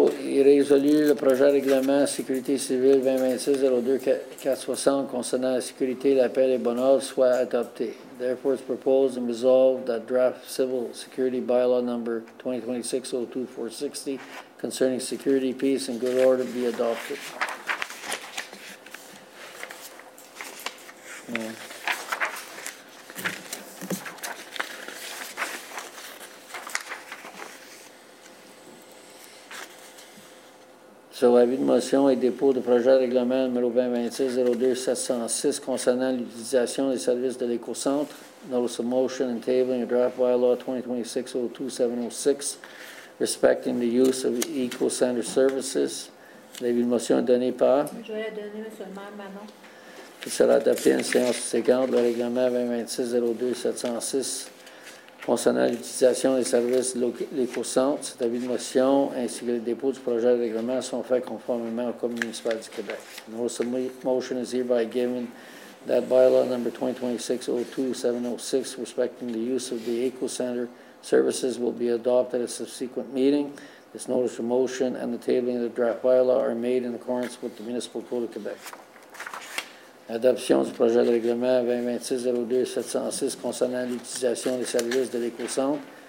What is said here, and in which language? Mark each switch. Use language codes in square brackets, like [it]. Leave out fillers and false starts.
[fr] Il résolue le projet de règlement sécurité civile 2026-02-460 concernant la sécurité, la paix et le bon ordre soit adopté. [en] Therefore, it's proposed and resolved that draft civil security bylaw number 2026-02-460 concerning security, peace and good order be adopted. [fr] Sur l'avis de motion et dépôt du projet de règlement numéro 2026-02-706 concernant l'utilisation des services de l'éco-centre. [en] Notice of motion and tabling of draft bylaw 2026-02-706 respecting the use of eco-centre services. [fr] L'avis de motion est donné par? Je vais donner, M. le maire, Manon. Il sera adapté en séance subséquente le règlement 2026-02-706. Concernant l'utilisation des services de l'éco-centre, cet avis de motion ainsi que le dépôt du projet de règlement sont faits conformément au Code municipal du Québec. [en] Notice of motion is hereby given that bylaw number 2026-02-706 respecting the use of the Eco-Center services will be adopted at a subsequent meeting. This notice of motion and the tabling of the draft bylaw are made in accordance with the Municipal Code of Quebec. [fr] Adoption du projet de règlement 2026-02-706 concernant l'utilisation des services de l'éco-centre.